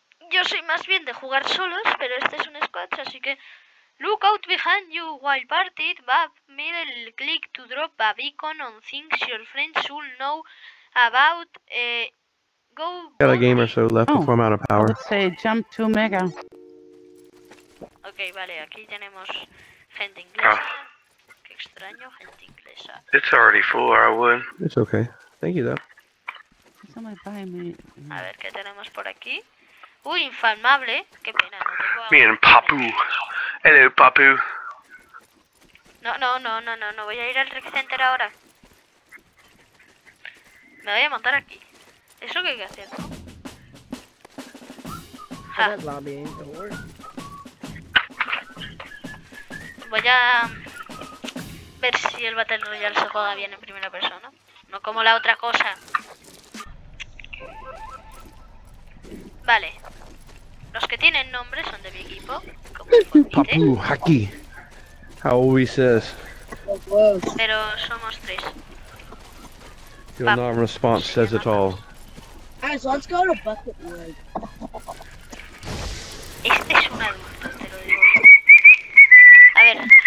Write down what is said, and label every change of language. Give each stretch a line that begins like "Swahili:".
Spanish: Yo soy más bien de jugar solos, pero este es un squad, así que...
English: Look out behind you while partied, but middle click to drop a beacon on things your friends should know about. Go. Got a game or so left before I'm out of power. Let's say jump to mega.
Spanish: Okay, vale, aquí tenemos gente inglesa. Qué extraño, gente inglesa.
English: It's already full, Arwen. It's okay. Thank you, though. Somebody buy me.
Spanish: A ver, ¿qué tenemos por aquí? Uy, infamable. Qué pena. No tengo
English: me and Papu. Hello, Papu.
Spanish: No No, voy a ir al Rec Center ahora. Me voy a montar aquí. ¿Eso qué hay que hacer? Voy a ver si el Battle Royale se juega bien en primera persona. No como la otra cosa. Vale. Los que tienen nombre son de mi equipo. Papu, aquí. How we says. Pero somos tres.
English: Your non-response says it all. Guys, let's go to Bucket Wood.
Spanish: Este es un adulto, te lo digo. A ver.